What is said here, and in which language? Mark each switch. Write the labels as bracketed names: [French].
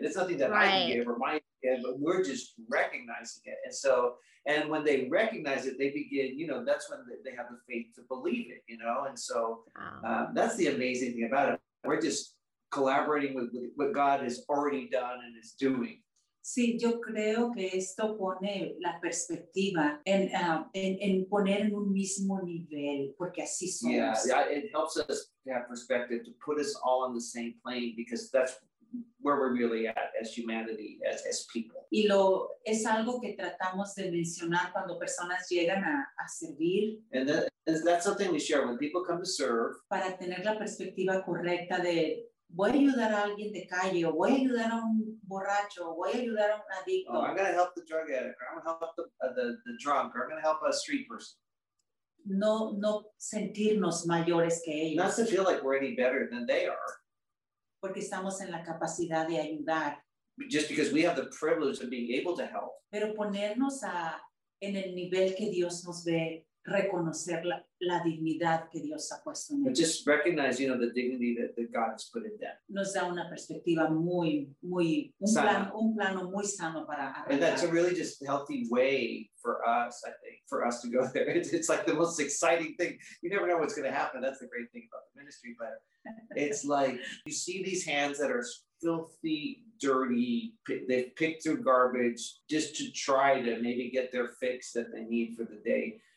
[English] It's nothing that right. I gave or mine gave, but we're just recognizing it. And when they recognize it, they begin, you know, that's when they have the faith to believe it, you know? And so that's the amazing thing about it. We're just collaborating with what God has already done and is doing. [Spanish] Sí, yo creo que esto pone la perspectiva en poner en un mismo nivel, porque así somos. [English] Yeah, it helps us to have perspective, to put us all on the same plane, because that's where we're really at as humanity, as people. [Spanish] Y lo es algo que tratamos de mencionar cuando personas llegan a servir. [English] And that's something we share when people come to serve. [Spanish] Para tener la perspectiva correcta de... Voy a ayudar a alguien de calle, o voy a ayudar a un borracho, o voy a ayudar a un adicto. [English] Oh, I'm going to help the drug addict, or I'm going to help the drunk, or I'm going to help a street person. [Spanish] No sentirnos mayores que ellos. [English] Not to feel like we're any better than they are. [Spanish] Porque estamos en la capacidad de ayudar. [English] Just because we have the privilege of being able to help. [Spanish] Pero ponernos en el nivel que Dios nos ve. Reconocer la dignidad que Dios ha puesto en ellos. [English] Just recognize, you know, the dignity that God has put in them. [Spanish] Nos da una perspectiva muy, muy, un plano muy sano para arreglar. [English] And that's a really just healthy way for us, I think, for us to go there. It's like the most exciting thing. You never know what's going to happen. That's the great thing about the ministry. But it's like you see these hands that are filthy, dirty, they've picked through garbage just to try to maybe get their fix that they need for the day.